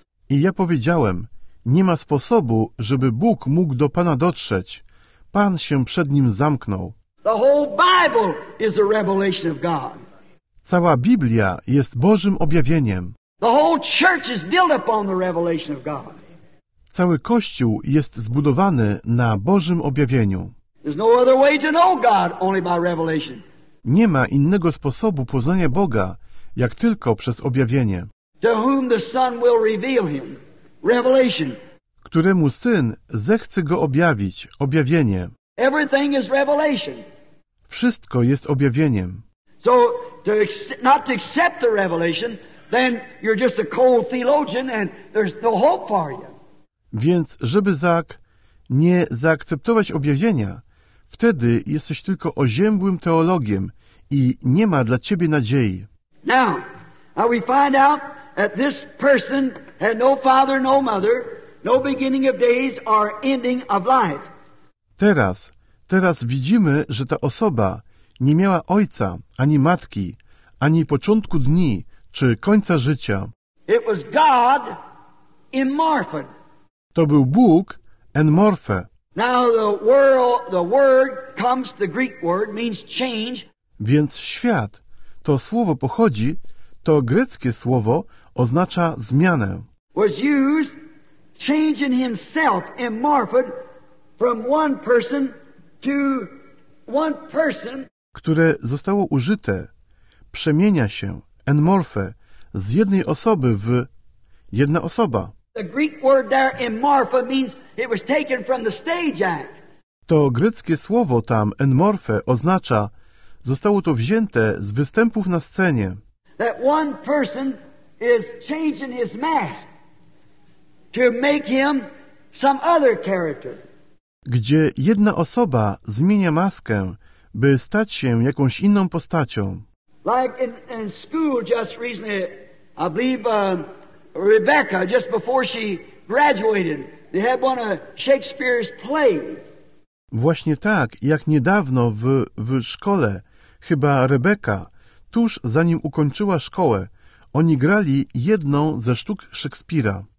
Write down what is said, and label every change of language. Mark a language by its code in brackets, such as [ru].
[pl] I ja powiedziałem, nie ma sposobu, żeby Bóg mógł do Pana dotrzeć. Pan się przed Nim zamknął. [en] The whole Bible is a revelation of God. [pl] Cała Biblia jest Bożym objawieniem. [en] The whole church is built upon the revelation of God. [pl] Cały Kościół jest zbudowany na Bożym objawieniu. [en] There's no other way to know God, only by revelation. [pl] Nie ma innego sposobu poznania Boga, jak tylko przez objawienie. [en] To whom the Son will reveal him. Revelation. [pl] Któremu Syn zechce Go objawić. Objawienie. [en] Everything is revelation. [pl] Wszystko jest objawieniem. [en] So, to not to accept the revelation, then you're just a cold theologian and there's no hope for you. [pl] Więc, żeby nie zaakceptować objawienia, wtedy jesteś tylko oziębłym teologiem i nie ma dla ciebie nadziei. [en] Now, we find out that this person had no father, no mother, no beginning of days or ending of life. [pl] Teraz widzimy, że ta osoba nie miała ojca, ani matki, ani początku dni, czy końca życia. [en] It was God in Martha. [pl] To był Bóg en morphe. [en] Now the word comes, the Greek word means change. [pl] Więc świat, to słowo pochodzi, to greckie słowo oznacza zmianę. [en] Was used changing himself in morphe from one person to one person. [pl] Które zostało użyte, przemienia się en morphe z jednej osoby w jedna osoba. [en] The Greek word there in morphe means it was taken from the stage act. [pl] To greckie słowo tam en morphe oznacza zostało to wzięte z występów na scenie. [en] That one person is changing his mask to make him some other character. [pl] Gdzie jedna osoba zmienia maskę, by stać się jakąś inną postacią. [en] Like in school just recently, I believe Rebecca, just before she graduated, they had one of Shakespeare's plays. [pl] Właśnie tak, jak niedawno w szkole, chyba Rebecca, tuż zanim ukończyła szkołę, oni grali jedną ze sztuk Szekspira.